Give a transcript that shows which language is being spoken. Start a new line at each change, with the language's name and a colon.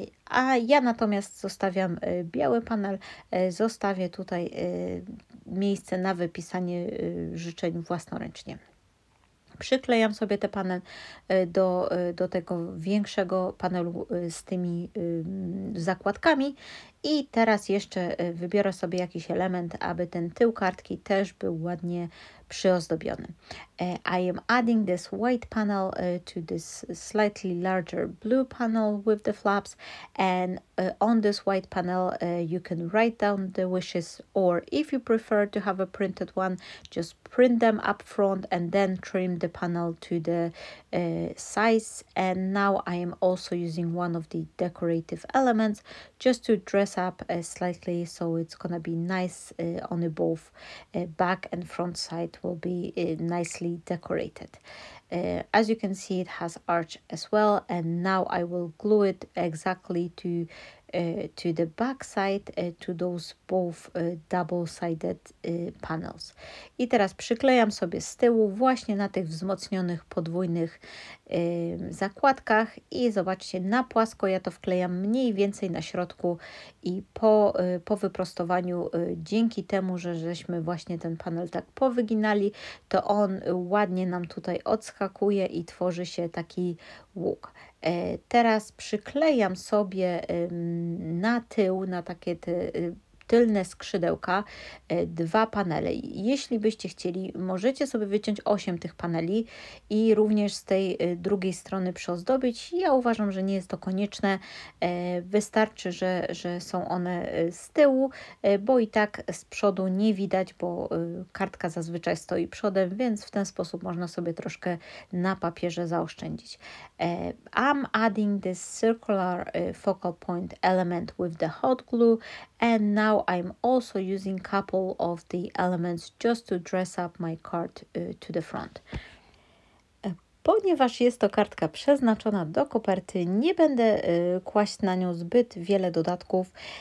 Polish: A ja natomiast zostawiam biały panel, zostawię tutaj miejsce na wypisanie życzeń własnoręcznie. Przyklejam sobie ten panel do tego większego panelu z tymi zakładkami i teraz jeszcze wybiorę sobie jakiś element, aby ten tył kartki też był ładnie przyozdobiony.
English: I am adding this white panel to this slightly larger blue panel with the flaps, and on this white panel you can write down the wishes, or if you prefer to have a printed one, just print them up front and then trim the panel to the size. And now I am also using one of the decorative elements just to dress up slightly, so it's gonna be nice on the both back and front side will be nicely decorated. As you can see, it has arch as well, and now I will glue it exactly to the back side, to those both double-sided panels.
Polish: I teraz przyklejam sobie z tyłu właśnie na tych wzmocnionych podwójnych zakładkach i zobaczcie, na płasko ja to wklejam mniej więcej na środku i po wyprostowaniu, dzięki temu, że żeśmy właśnie ten panel tak powyginali, to on ładnie nam tutaj odskakuje i tworzy się taki łuk. Teraz przyklejam sobie na tył, na takie tylne skrzydełka, dwa panele. Jeśli byście chcieli, możecie sobie wyciąć 8 tych paneli i również z tej drugiej strony przyozdobić. Ja uważam, że nie jest to konieczne. Wystarczy, że są one z tyłu, bo i tak z przodu nie widać, bo kartka zazwyczaj stoi przodem, więc w ten sposób można sobie troszkę na papierze zaoszczędzić.
English: I'm adding this circular focal point element with the hot glue, and now I'm also using a couple of the elements just to dress up my card to the front.
Polish: Ponieważ jest to kartka przeznaczona do koperty, nie będę kłaść na nią zbyt wiele dodatków.